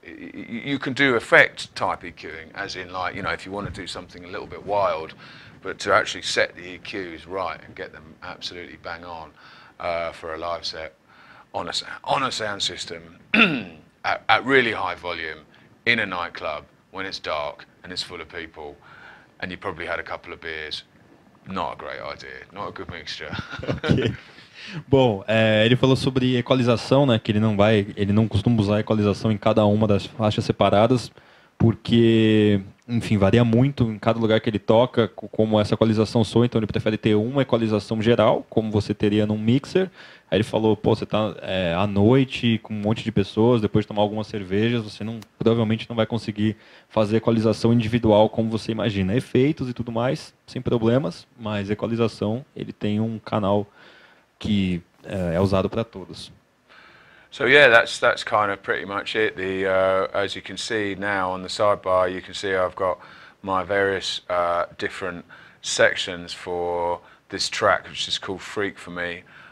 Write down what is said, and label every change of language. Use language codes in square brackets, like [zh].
[en] You can do effect type EQing, as in, like, you know, if you want to do something a little bit wild, but to actually set the EQs right and get them absolutely bang on for a live set on a sound system at really high volume in a nightclub when it's dark and it's full of people and you probably had a couple of beers, not a great idea, not a good mixture. [pt] Bom, ele falou sobre equalização, né, que ele não costuma usar equalização em cada uma das faixas separadas, porque, enfim, varia muito em cada lugar que ele toca como essa equalização soa. Então ele prefere ter uma equalização geral, como você teria num mixer. Aí ele falou, pô, você tá à noite com um monte de pessoas, depois de tomar algumas cervejas, você não, provavelmente não vai conseguir fazer equalização individual como você imagina. Efeitos e tudo mais, sem problemas, mas equalização, ele tem um canal que é usado para todos. [en] So yeah, that's kind of pretty much it. The as you can see now on the sidebar, you can see I've got my various different sections for this track, which is called Freak for me.